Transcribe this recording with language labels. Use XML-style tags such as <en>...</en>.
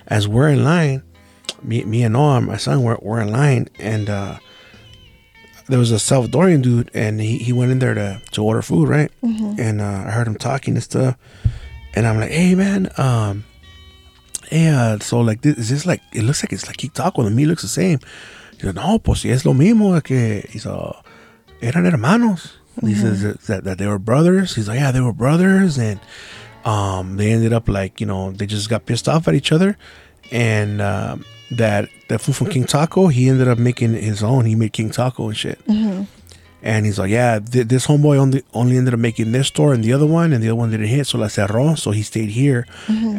<en>as we're in line, me and Noam, my son, we're in line, and there was a Salvadorian dude, and he went in there to order food, right? Mm-hmm. And I heard him talking and stuff, and I'm like, hey man, yeah, so like this is this like it looks like it's like King Taco, the meat looks the same. He said,</en> <es>no, pues si es lo mismo, que he's eran hermanos. Mm-hmm.</es> <en>He says that they were brothers. He's like, yeah, they were brothers, and they ended up like, you know, they just got pissed off at each other, and that the food from King Taco, he ended up making his own. He made King Taco and shit. Mm-hmm. And he's like, yeah, this homeboy only ended up making this store and the other one, and the other one didn't hit, so</en> <es>la cerró,</es> <en>so he stayed here. Mm-hmm.</en>